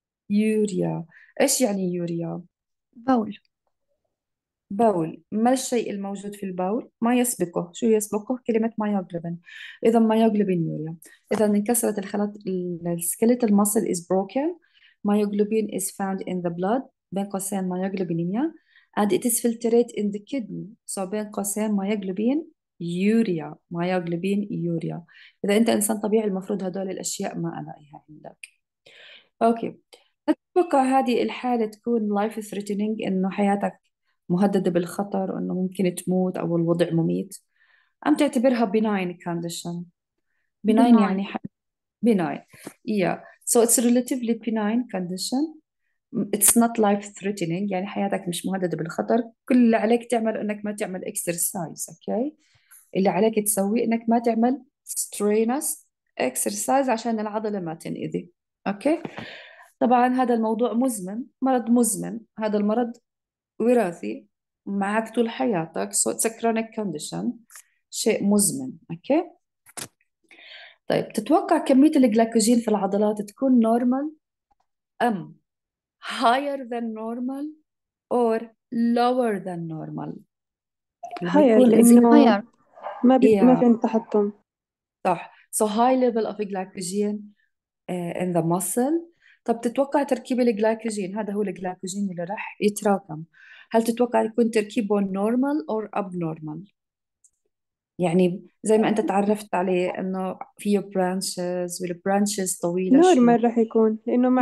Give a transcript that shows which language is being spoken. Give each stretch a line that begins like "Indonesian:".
Arabic: يوريا. إيش يعني يوريا؟ بول بول. ما الشيء الموجود في البول؟ ما يسبقه. شو يسبقه؟ كلمة مايوغلوبين. إذا مايوغلوبين يوريا. إذا انكسرت الخلايا، السكيلتال ماسل
English: is broken. Myoglobin is found in the blood.
Arabic: بين قوسين مايوغلوبينيميا.
English: And it is filtrate in the kidney.
Arabic: So بين قوسين مايوغلوبين يوريا. مايوغلوبين يوريا. إذا أنت إنسان طبيعي المفروض هدول الأشياء ما ألاقيها عندك. أوكي. أتوقع هذه الحالة تكون
English: life threatening،
Arabic: إنه حياتك مهددة بالخطر وأنه ممكن تموت أو الوضع مميت، أم تعتبرها
English: benign condition؟
Arabic: benign
English: بناين
Arabic: يعني benign.
English: Yeah. So it's relatively benign condition. It's not life threatening،
Arabic: يعني حياتك مش مهددة بالخطر. كل اللي عليك تعمل أنك ما تعمل exercise.
English: Okay.
Arabic: اللي عليك تسوي أنك ما تعمل
English: strenuous exercise
Arabic: عشان العضلة ما تنأذي.
English: Okay.
Arabic: طبعا هذا الموضوع مزمن، مرض مزمن. هذا المرض وراثي معك طول حياتك.
English: So it's a chronic condition،
Arabic: شيء مزمن.
English: Okay.
Arabic: طيب تتوقع كمية الجلايكوجين في العضلات تكون normal أم
English: higher than normal or lower than normal؟
Arabic: اللي
English: higher
Arabic: بيكون لأنه إنزيم higher ما
English: yeah.
Arabic: في عندي تحطم. صح.
English: So high level of glycogen in the muscle.
Arabic: طب تتوقع تركيب الجلايكوجين، هذا هو الجلايكوجين اللي راح يتراكم، هل تتوقع يكون تركيبه نورمال أو اب نورمال؟ يعني زي ما انت تعرفت عليه انه فيه برانشز والبرانشز طويلة شوي. نورمال راح يكون لأنه ما